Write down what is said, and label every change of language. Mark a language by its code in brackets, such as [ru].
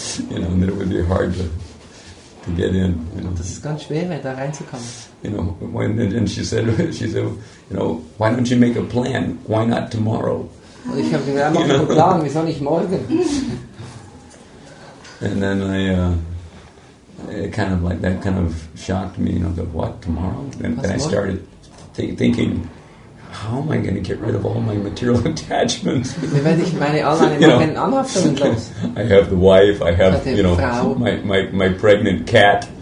[en] you know, and then it would be hard to get in. You know. [de] Das ist ganz schwer, da reinzukommen. [en] You know, when, and she said, you know, why don't you make a plan? Why not tomorrow? [de] Und ich habe gesagt, mach einen Plan, wieso nicht morgen? [en] And then I, it kind of like, that kind of shocked me, you know, that what, tomorrow? And I started thinking, how am I going to get rid of all my material attachments? [de] Wie werde ich meine alleinigen Anhaftungen los? [en] I have the wife, I have, you know, my pregnant cat.